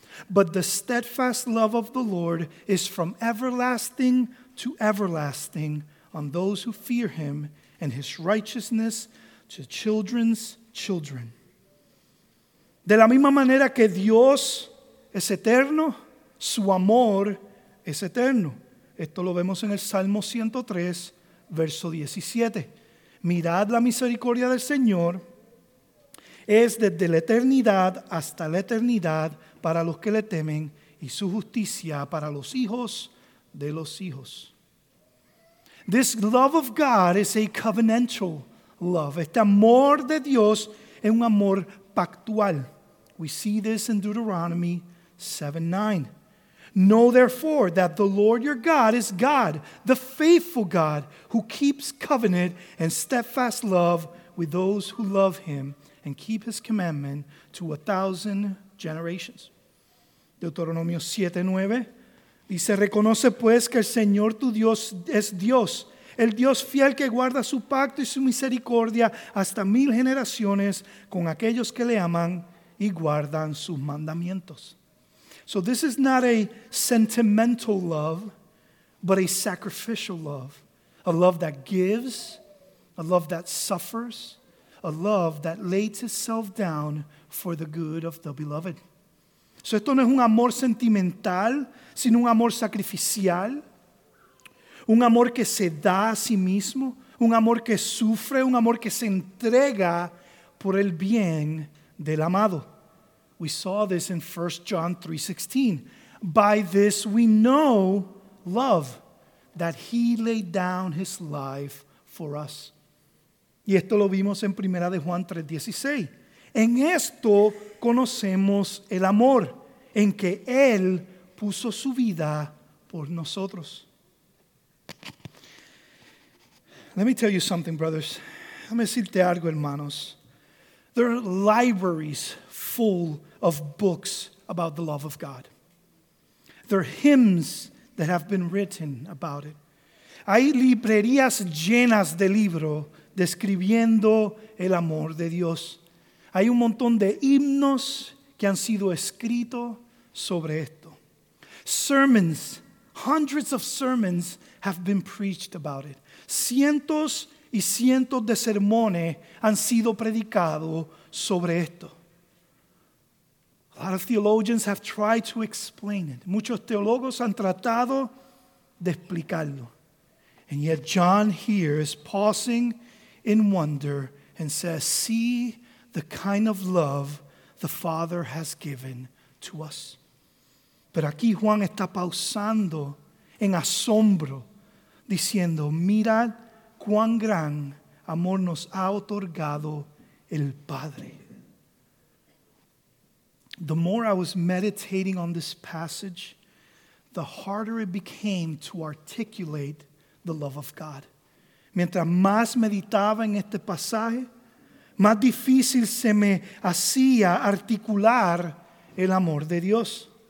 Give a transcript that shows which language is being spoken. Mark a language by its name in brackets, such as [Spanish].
[English] But the steadfast love of the Lord is from everlasting to everlasting on those who fear him, and his righteousness to children's children. [Spanish] De la misma manera que Dios es eterno, su amor es eterno. Esto lo vemos en el Salmo 103, verso 17. Mirad la misericordia del Señor, es desde la eternidad hasta la eternidad para los que le temen, y su justicia para los hijos de los hijos. [English] This love of God is a covenantal love. [Spanish] Este amor de Dios es un amor pactual. [English] We see this in Deuteronomy 7, 9. Know therefore that the Lord your God is God, the faithful God who keeps covenant and steadfast love with those who love him and keep his commandment to 1,000 generations. [Spanish] Deuteronomio 7, 9. Dice, reconoce pues que el Señor tu Dios es Dios, el Dios fiel que guarda su pacto y su misericordia hasta mil generaciones con aquellos que le aman y guardan sus mandamientos. [English] So this is not a sentimental love, but a sacrificial love. A love that gives, a love that suffers, a love that lays itself down for the good of the beloved. [Spanish] So esto no es un amor sentimental, sino un amor sacrificial. Un amor que se da a sí mismo, un amor que sufre, un amor que se entrega por el bien del amado. [English] We saw this in 1 John 3:16. By this we know love, that he laid down his life for us. [Spanish] Y esto lo vimos en 1 Juan 3:16. En esto conocemos el amor, en que él puso su vida por nosotros. [English] Let me tell you something, brothers. [Spanish] Déjame decirte algo, hermanos. [English] There are libraries full of books about the love of God. There are hymns that have been written about it. [Spanish] Hay librerías llenas de libros describiendo el amor de Dios. Hay un montón de himnos que han sido escritos sobre esto. [English] Sermons, hundreds of sermons have been preached about it. [Spanish] Cientos y cientos de sermones han sido predicados sobre esto. [English] A lot of theologians have tried to explain it. [Spanish] Muchos teólogos han tratado de explicarlo. [English] And yet John here is pausing in wonder and says, see the kind of love the Father has given to us. [Spanish] Pero aquí Juan está pausando en asombro, diciendo, mirad cuán gran amor nos ha otorgado el Padre. [English] The more I was meditating on this passage, the harder it became to articulate the love of God. [Spanish] Mientras más meditaba en este pasaje, más difícil se me hacía articular el amor de Dios.